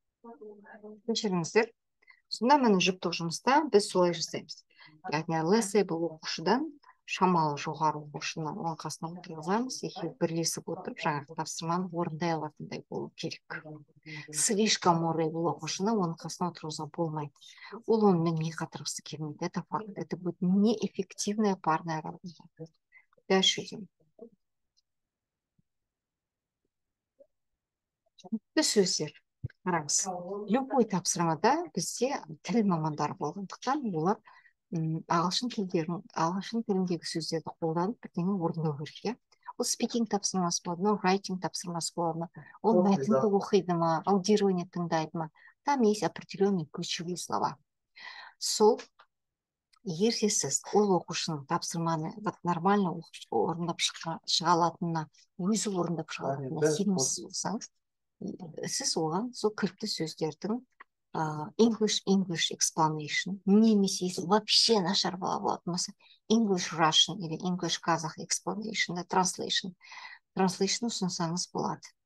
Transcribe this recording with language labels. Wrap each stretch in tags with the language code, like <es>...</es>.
<kk>кешіріңіздер. Сонда мен жұптық жұмыста біз солай жасаймыз. Яғни лесейбл оқушыдан шамалы жоғары оқушының оң қасына отырғызамыз, екеуі бірлесіп отырып жаңағы тапсырманы орындай алатындай болу керек. Слишком орейбл оқушыны оның қасына отырғыза болмайды. Ол онымен не қатырғысы келмейді.</kk> <ru>Это факт. Это будет неэффективная парная работа. Дальше идем.</ru> <kk>Сөздер қараңыз, любой тапсырмада бізде тіл мамандары болғандықтан олар ағылшын тіліндегі сөздерді қолданып бірдеңе орындау керек. Иә, ол спикинг тапсырмасы болады ма, райтинг тапсырмасы болады ма, ол мәтінді оқиды ма, аудирование тыңдайды ма,</kk> <ru>там есть определенные ключевые слова.</ru> <kk>Сол егерде сіз ол оқушының тапсырманы нормально орындап шыға алатынына, өзі орындап шыға алатынына сенімсіз болсаңыз, сіз оған сол кілтті сөздердің</kk> <en>English explanation</en> <kk>немесе вообще нашар бола болатын болса</kk> <en>English Russian или English Kazakh explanation translation</en> <kk>ұсынсаңыз болады.</kk>